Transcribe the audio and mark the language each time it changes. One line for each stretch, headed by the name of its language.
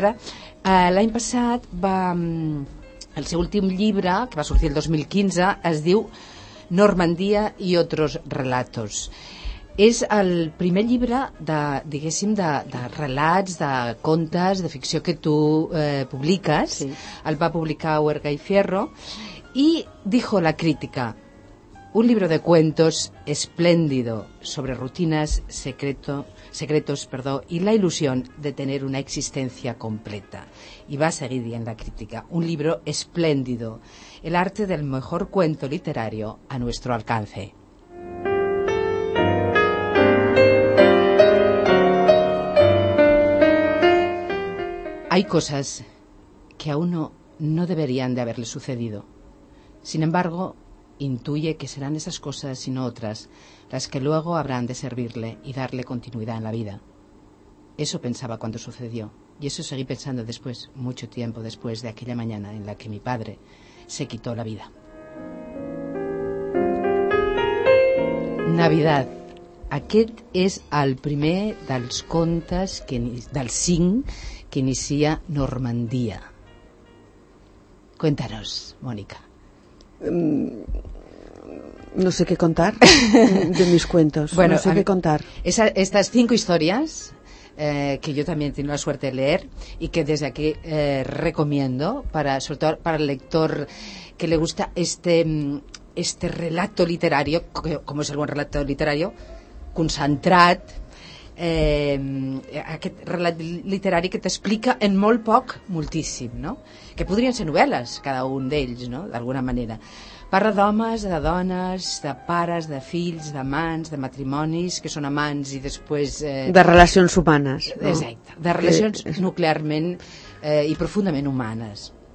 Catalan: L'any passat va... el seu últim llibre, que va sortir el 2015, es diu... Normandia i altres relats. És el primer llibre de, diguéssim, de relats, de contes, de ficció que tu publiques. Sí. El va publicar
Spanish: Huerga y Fierro i dijo la crítica: un libro de cuentos espléndido sobre rutinas, secretos, y la ilusión de tener una existencia completa. Y va a seguir en la crítica: un libro espléndido, el arte del mejor cuento literario a nuestro alcance. Hay cosas que a uno no deberían de haberle sucedido. Sin embargo, intuye que serán esas cosas y no otras las que luego habrán de servirle y darle continuidad en la vida. Eso pensaba cuando sucedió, y eso seguí pensando después, mucho tiempo después de aquella mañana en la que mi padre se quitó la vida. Navidad.
Catalan: Aquest és el primer dels contes, dels cinc, que inicia Normandia.
Spanish: Cuéntanos, Mònica. No sé qué contar de mis cuentos. Bueno, no sé qué contar. Estas cinco historias que yo también tengo la suerte de leer y que desde aquí recomiendo, sobre todo para el lector que le gusta este relato literario, como es el buen relato literario,
Catalan: concentrat, aquest relat literari que t'explica en molt poc moltíssim, no? Que podrien ser novel·les, cada un d'ells, no? D'alguna manera. Parla d'homes, de dones, de pares, de fills, d'amants, de matrimonis, que són amants i després... de relacions humanes. No? Exacte, de relacions nuclearment i profundament humanes.